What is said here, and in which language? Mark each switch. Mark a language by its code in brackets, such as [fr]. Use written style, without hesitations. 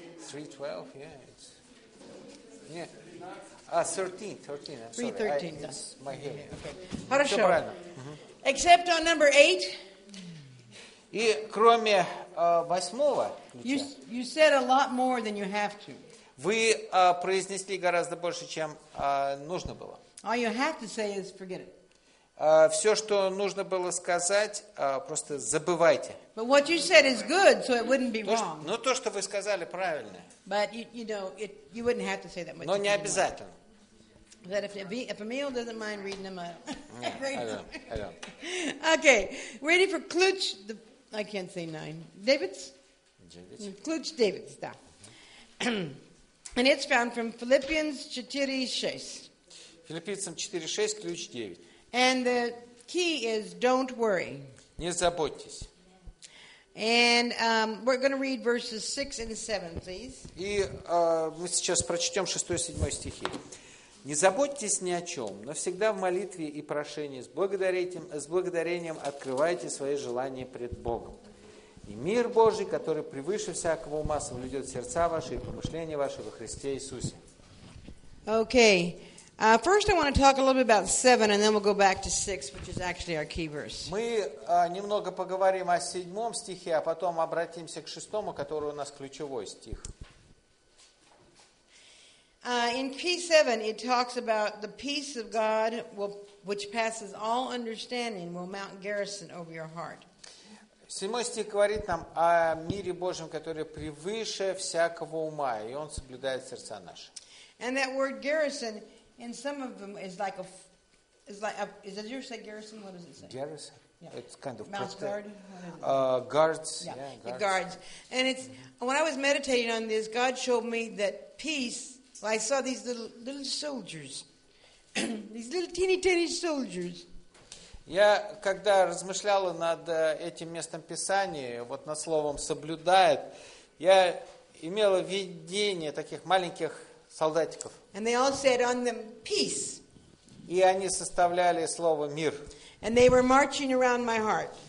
[en] 3:12, yeah. It's, yeah. 13, I'm sorry. [ru] 313, да. Хорошо. Все правильно. [en] Except on number 8. [ru] И кроме восьмого ключа. [en] You said a lot more than you have to. [ru] Вы произнесли гораздо больше, чем нужно было. [en] All you have to say is forget it. [ru] Все, что нужно было сказать, просто забывайте. [en] But what you said is good, so it wouldn't be wrong. [ru] Но то, что вы сказали, правильное. [en] But you know, you wouldn't have to say that much. [ru] Но не обязательно. [en] That if Emil doesn't mind reading them, I don't. Okay, ready for Klutsch? I can't say nine. Davids. Klutsch Davids, да. And it's found from Philippians 4:6. [ru] Филиппийцам 4:6, ключ 9. [en] And the key is don't worry. [ru] Не заботьтесь. [en] And we're going to read verses 6 and 7, please. [ru] И мы сейчас прочтем 6-7 стихи. Не заботьтесь ни о чем, но всегда в молитве и прошении с благодарением открывайте свои желания пред Богом. И мир Божий, который превыше всякого ума, соблюдет сердца ваши и помышления ваши во Христе Иисусе. [en] Okay. First I want to talk a little bit about 7 and then we'll go back to 6, which is actually our key verse. [ru] Мы немного поговорим о 7 стихе, а потом обратимся к 6, который у нас ключевой стих. [en] In key 7 it talks about the peace of God which passes all understanding will mount garrison over your heart. [ru] 7 стих говорит нам о мире Божьем, который превыше всякого ума, и он соблюдает сердца наши. [en] And that word garrison in some of them is like a, is it your say garrison? What does it say? Garrison. Yeah. It's kind of mouth guard. Guards. Yeah. Yeah, guards. It guards. And it's when I was meditating on this, God showed me that peace. Well, I saw these little soldiers, these little teeny soldiers. [ru] Я когда размышляла над этим местом Писания, вот над словом соблюдает, я имела видение таких маленьких солдатиков. [en] And they all said on them peace. [ru] И они составляли слово мир. [en] And they were marching around my heart.